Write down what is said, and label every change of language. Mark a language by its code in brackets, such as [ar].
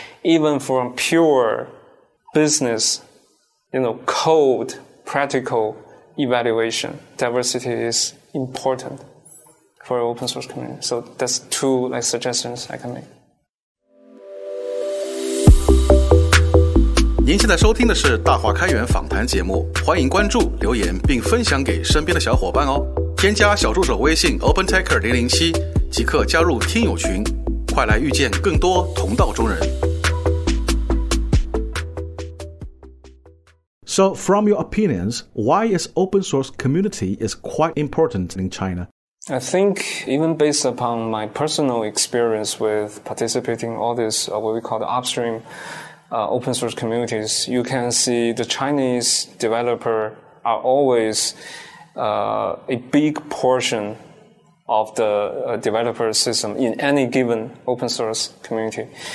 [en] Even from pure business, you know, code, practical evaluation, diversity is important for an open source community. So that's two like suggestions I can make. [zh] 您现在收听的是大话开源访谈节目，欢迎关注、留言并分享给身边的小伙伴哦。添加小助手微信 OpenTacker007 即刻加入听友群，快来遇见更多同道中人。 [en] So from your opinions, why is open source community is quite important in China? I think even based upon my personal experience with participating all this what we call the upstream open source communities, you can see the Chinese developer are always a big portion of the developer system in any given open source community.